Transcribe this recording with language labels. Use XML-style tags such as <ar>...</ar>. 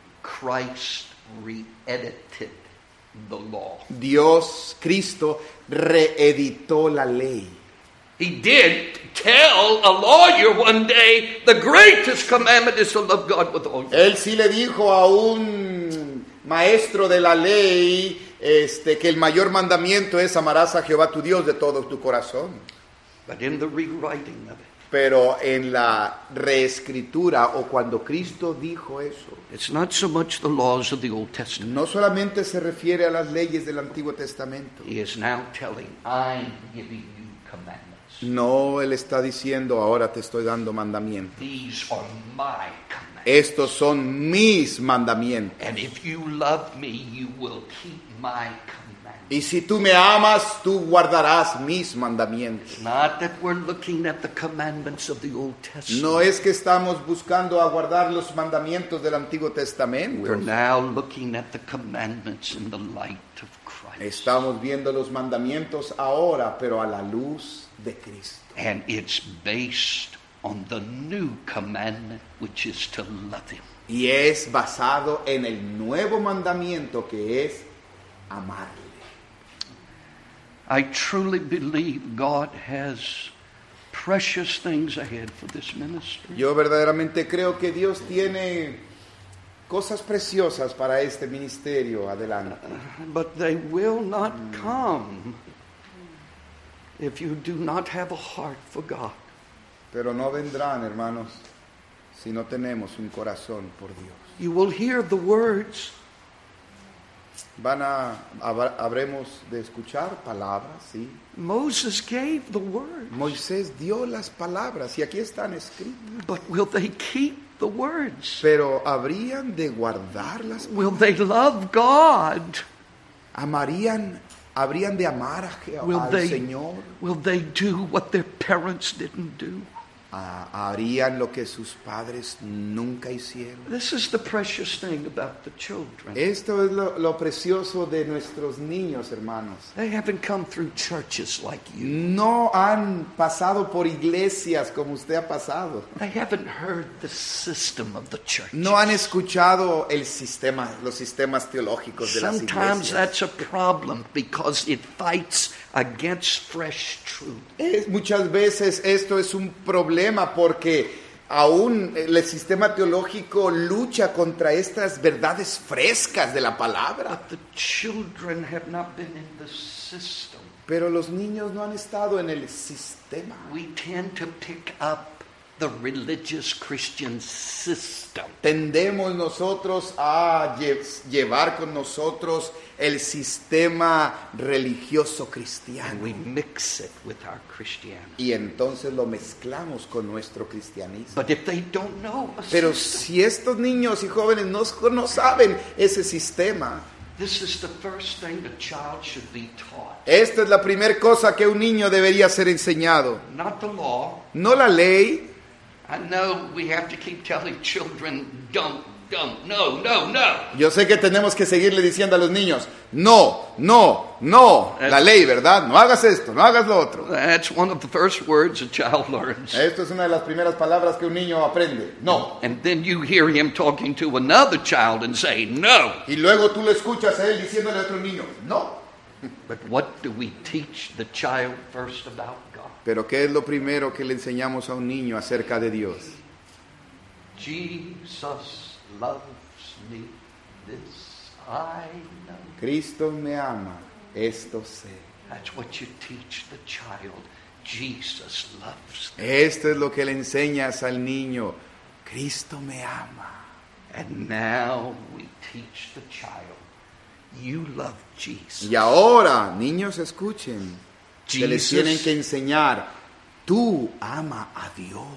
<en>Christ re-edited the law.</en> <es>Dios, Cristo, reeditó la ley.</es> <en>He did tell a lawyer one day, the greatest commandment is to love God with all your</en> <es>heart. Él sí le dijo a un maestro de la ley, que el mayor mandamiento es amarás a Jehová tu Dios de todo tu corazón.</es> <en>But in the rewriting of it.</en> <es>Pero en la reescritura o cuando Cristo dijo eso.</es> <en>It's not so much the laws of the Old Testament.</en> <es>No solamente se refiere a las leyes del Antiguo Testamento.</es> <en>He is now telling, I'm giving you commandments.</en> <es>No, él está diciendo, ahora te estoy dando mandamientos.</es> <en>These are my commandments.</en> <es>Estos son mis mandamientos.</es> <en>And if you love me, you will keep my commandments.</en> <es>Y si tú me amas, tú guardarás mis mandamientos.</es> <en>It's not that we're looking at the commandments of the Old Testament.</en> <es>No es que estamos buscando a guardar los mandamientos del Antiguo Testamento.</es> <en>We're now looking at the commandments in the light of Christ.</en> <es>Estamos viendo los mandamientos ahora, pero a la luz de Cristo.</es> <en>And it's based on the new commandment, which is to love him.</en> <es>Y es basado en el nuevo mandamiento que es amarle.</es> <en>I truly believe God has precious things ahead for this ministry.</en> <es>Yo verdaderamente creo que Dios tiene cosas preciosas para este ministerio adelante.</es> <en>But they will not come if you do not have a heart for God.</en> <es>Pero no vendrán, hermanos, si no tenemos un corazón por Dios.</es> <en>You will hear the words.</en> <es>Van a habremos de escuchar palabras, sí.</es> <en>Moses gave the words.</en> <es>Moisés dio las palabras y aquí están escritas.</es> <en>But will they keep the words?</en> <es>Pero habrían de guardarlas.</es> <en>Will they love God?</en> <es>Amarían ¿Habrían de amar a al Señor?</es> <en>Will they do what their parents didn't do?</en> <es>¿Harían lo que sus padres nunca hicieron?</es> <en>This is the precious thing about the children.</en> <es>Esto es lo precioso de nuestros niños, hermanos.</es> <en>They haven't come through churches like you.</en> <es>No han pasado por iglesias como usted ha pasado.</es> <en>They haven't heard the system of the church.</en> <es>No han escuchado el sistema, los sistemas teológicos de</es> <en>Sometimes</en> <es>las iglesias.</es> <en>That's a problem because it fights against fresh truth.</en> <es>Muchas veces esto es un problema porque aún el sistema teológico lucha contra estas verdades frescas de la palabra.</es> <en>But the children have not been in the system.</en> <es>Pero los niños no han estado en el sistema.</es> <en>We tend to pick up the religious Christian system.</en> <es>Tendemos nosotros a llevar con nosotros el sistema religioso cristiano.</es> <en>And we mix it with our Christianity.</en> <es>Y entonces lo mezclamos con nuestro cristianismo.</es> <en>But if they don't know a system,</en> <es>pero si estos niños y jóvenes no saben ese sistema,</es> <en>this is the first thing a child should be taught.</en> <es>Esta es la primera cosa que un niño debería ser enseñado.</es> <en>Not the law.</en> <es>No la ley.</es> <en>I know we have to keep telling children, don't. No.</en> <es>Yo sé que tenemos que seguirle diciendo a los niños, no. That's, la ley, ¿verdad? No hagas esto, no hagas lo otro.</es> <en>That's one of the first words a child learns.</en> <es>Esto es una de las primeras palabras que un niño aprende.</es> <en>No. And then you hear him talking to another child and say, no.</en> <es>Y luego tú le escuchas a él diciéndole a otro niño, no.</es> <en>But what do we teach the child first about God?</en> <es>¿Pero qué es lo primero que le enseñamos a un niño acerca de Dios?</es> <en>Jesus loves me, this I know.</en> <es>Cristo me ama, esto sé.</es> <en>That's what you teach the child. Jesus loves me.</en> <es>Esto es lo que le enseñas al niño. Cristo me ama.</es> <en>And now we teach the child, you love Jesus.</en> <es>Y ahora, niños, escuchen. Se les tienen que enseñar. Tú ama a Dios.</es>